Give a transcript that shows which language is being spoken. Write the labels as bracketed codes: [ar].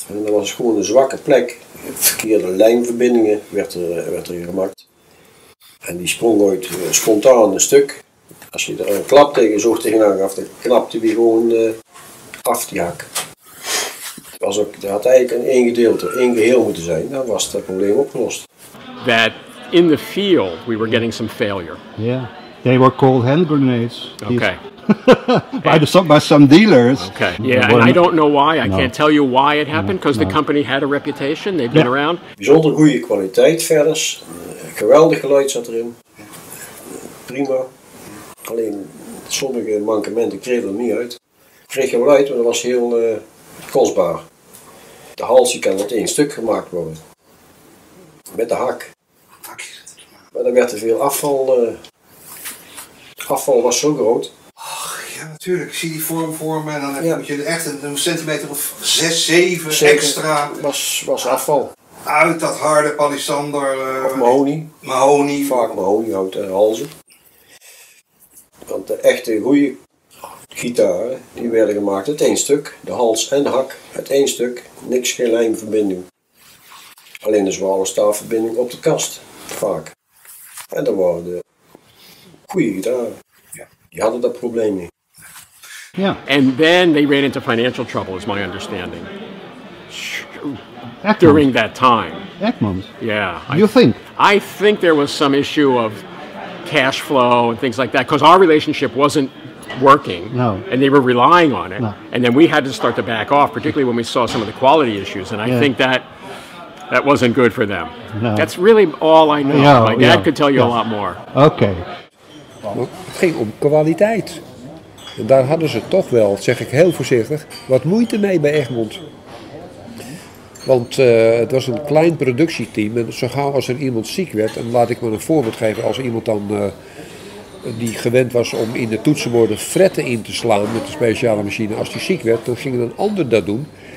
[nl] En dat was gewoon een zwakke plek. Verkeerde lijnverbindingen werd er gemaakt. En die sprong ooit spontaan een stuk. Als je er een klap tegen zocht tegenaan gaf, dan klapte die gewoon af, die hak. Dat had eigenlijk een één gedeelte, één geheel moeten zijn. Dan was dat probleem opgelost. [en] That in the field we were getting some failure. Yeah. They were called hand grenades. Okay. By some dealers. Okay. Yeah, and I don't know why. I can't tell you why it happened, because the company had a reputation. They've been around. [nl] Bijzonder goede kwaliteit verder. Geweldig geluid zat erin. Prima. Alleen sommige mankementen kregen er niet uit. Kreeg je wel uit, maar dat was heel kostbaar. De hals kan met één stuk gemaakt worden. Met de hak. Maar dan werd er veel afval. Afval was zo groot. Ja, natuurlijk. Ik zie die vorm voor me en dan moet je echt een centimeter of 6-7 extra. Was afval. Uit dat harde palissander. Of mahonie. Mahonie. Vaak mahoniehout en halzen. Want de echte goede gitaren die werden gemaakt uit één stuk. De hals en de hak uit één stuk. Niks, geen lijmverbinding. Alleen de zware staafverbinding op de kast. Vaak. En dat waren de goede gitaren. Die hadden dat probleem niet. [en] Yeah. And then they ran into financial trouble, is my understanding. Egmont. During that time. Egmont. Yeah. You think? I think there was some issue of cash flow and things like that, because our relationship wasn't working. No. And they were relying on it. No. And then we had to start to back off, particularly when we saw some of the quality issues. And I think that wasn't good for them. No. That's really all I know. Yeah, my dad could tell you a lot more. Okay. Well, it [nl] ging om kwaliteit. En daar hadden ze toch wel, zeg ik heel voorzichtig, wat moeite mee bij Egmont. Want het was een klein productieteam en zo gauw als er iemand ziek werd, en laat ik maar een voorbeeld geven, als iemand dan die gewend was om in de toetsenborden fretten in te slaan met de speciale machine, als die ziek werd, dan ging een ander dat doen.